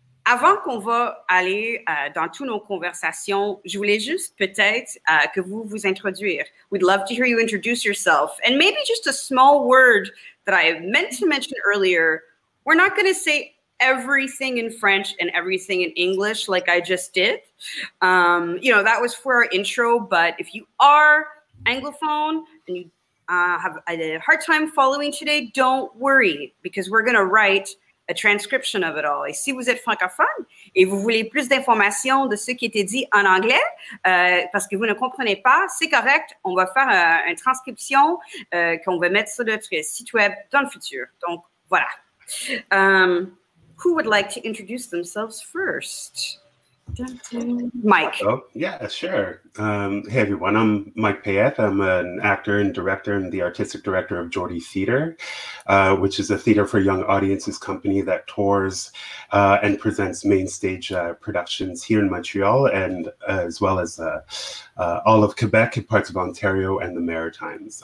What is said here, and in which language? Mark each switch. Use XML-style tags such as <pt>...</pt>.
<fr>Avant qu'on va aller dans toutes nos conversations, je voulais juste peut-être que vous vous introduire.</fr> <en>We'd love to hear you introduce yourself. And maybe just a small word that I meant to mention earlier. We're not going to say everything in French and everything in English like I just did. You know, that was for our intro. But if you are Anglophone and you have a hard time following today, don't worry, because we're going to write a transcription of it all.</en> <fr>Et si vous êtes francophone et vous voulez plus d'informations de ce qui était dit en anglais, parce que vous ne comprenez pas, c'est correct. On va faire une transcription qu'on va mettre sur notre site web dans le futur. Donc, voilà.</fr> <en>Who would like to introduce themselves first? Mike. Oh, yeah, sure. Hey, everyone. I'm Mike Payette. I'm an actor and director and the artistic director of Geordie Theatre, which is a theater for young audiences company that tours and presents main stage productions here in Montreal and as well as all of Quebec and parts of Ontario and the Maritimes.</en>